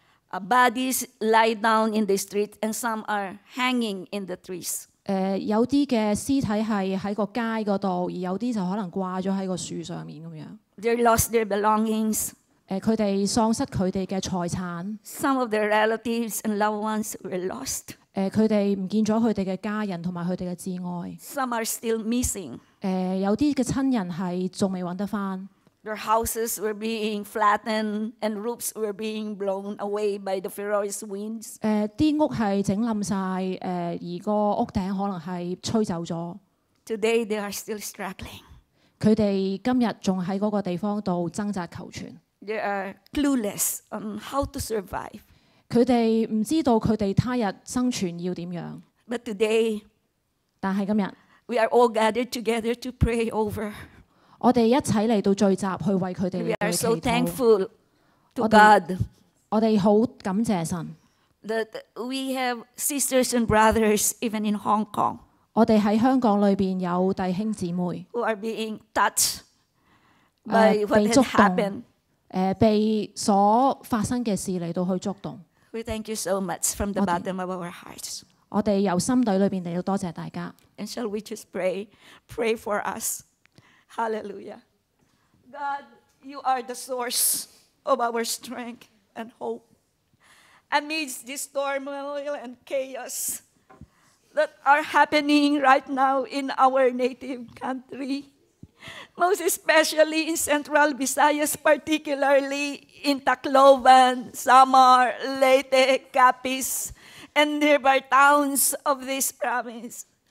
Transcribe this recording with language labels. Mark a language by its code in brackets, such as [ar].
[en] Bodies lie down in the street, and some are hanging in the trees. [yue] 有啲嘅屍體係喺個街嗰度，而有啲就可能掛咗喺個樹上面咁樣。 [en] They lost their belongings. [yue] 佢哋喪失佢哋嘅財產。 [en] Some of their relatives and loved ones were lost. [yue] 佢哋唔見咗佢哋嘅家人同埋佢哋嘅摯愛。 [en] Some are still missing. [yue] 有啲嘅親人係仲未揾得翻。 [en] Their houses were being flattened, and roofs were being blown away by the furious winds. [yue] 啲屋係整冧曬，而個屋頂可能係吹走咗。 [en] Today they are still struggling. [yue] 佢哋今日仲喺嗰個地方度掙扎求存。 [en] They are clueless on how to survive. [yue] 佢哋唔知道佢哋他日生存要點樣。 [en] But today, [yue] 但係今日 [en] ，we are all gathered together to pray over. [yue] 我哋一齐嚟到聚集，去为佢哋嚟祈祷。 [en] We are so thankful to God. [yue] 我哋好感谢神。 [en] That we have sisters and brothers even in Hong Kong. [yue] 我哋喺香港里边有弟兄姊妹。 [en] Who are being touched by what has happened? [yue] 被所发生嘅事嚟到去触动。 [en] We thank you so much from the bottom of our hearts. [yue] 我哋由心底里边嚟到多谢大家。 [en] And shall we just pray for us? Hallelujah. God, you are the source of our strength and hope. Amidst this turmoil and chaos that are happening right now in our native country, most especially in Central Visayas, particularly in Tacloban, Samar, Leyte, Capiz, and nearby towns of this province.